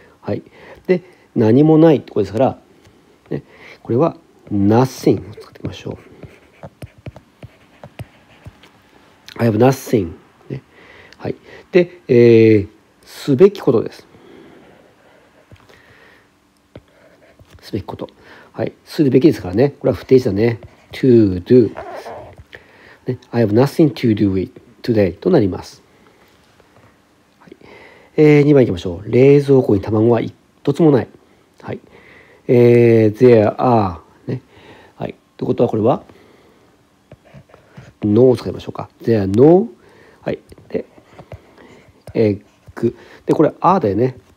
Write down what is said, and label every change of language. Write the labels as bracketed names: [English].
[Japanese] はい、で、何もないってことですから、ね、これは nothing を使っていきましょう。 [English] I have nothing、 [Japanese] ね、はい、で、すべきことです。すべきこと、はい、するべきですからね。これは不定詞だね。 [English] to do、ね、I have nothing to do with today [Japanese] となります。はい、2番いきましょう。冷蔵庫に卵は一つもない、はい、 [English] there are、 [Japanese] ね、はい、ということはこれはNo を使いましょうか。 [English] There are no、 [Japanese] はい、で、egg で、これ are だよね。